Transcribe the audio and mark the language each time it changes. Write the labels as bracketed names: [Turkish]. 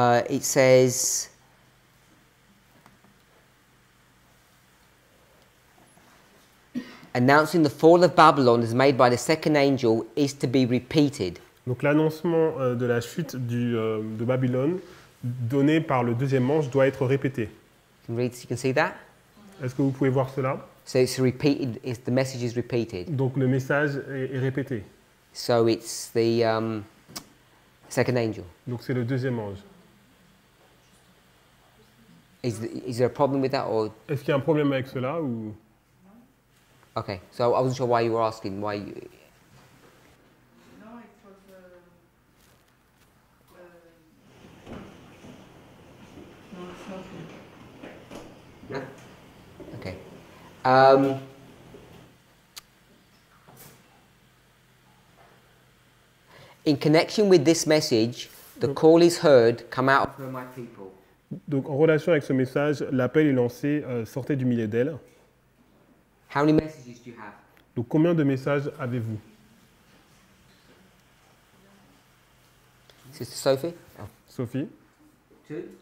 [English] It says announcing the fall of Babylon is made by the second angel is to be repeated. [French] Donc l'annoncement de la chute de Babylone donné par le deuxième ange doit être répété. [English] You can see that? [French] Est-ce que vous pouvez voir cela? [English] So it's repeated, the message is repeated. [French] Donc le message est répété. [English] So it's the second angel. [French] Donc c'est le deuxième ange. [English] Is there a problem with that or? [French] Est-ce qu'il y a un problème avec cela ou? [English] Okay, so I wasn't sure why you were asking why. You... No, it was okay. In connection with this message, the call is heard. Come out from my people. [French] Donc, en relation avec ce message, l'appel est lancé. Sortez du milieu d'elle. [English] How many messages do you have? [French] Donc, combien de messages avez-vous? [English] Sister Sophie. Oh. Sophie. Two.